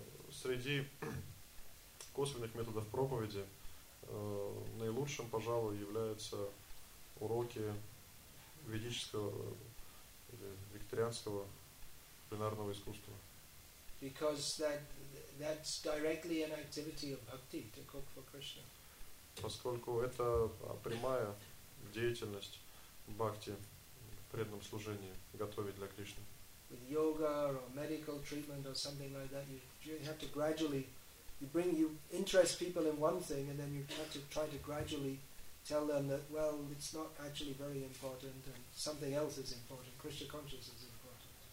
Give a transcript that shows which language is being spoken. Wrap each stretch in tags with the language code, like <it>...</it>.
<ru>Среди косвенных методов проповеди наилучшим, пожалуй, являются уроки ведического или вегетарианского кулинарного искусства.</ru> <en>Because that's directly an activity of bhakti, to cook for Krishna.</en> <ru>Поскольку это прямая деятельность бхакти, преданном служении, готовить для Кришны.</ru> <en>With yoga or medical treatment or something like that, you have to gradually, you interest people in one thing, and then you have to try to gradually tell them that, well, it's not actually very important, and something else is important, Krishna consciousness is important.</en>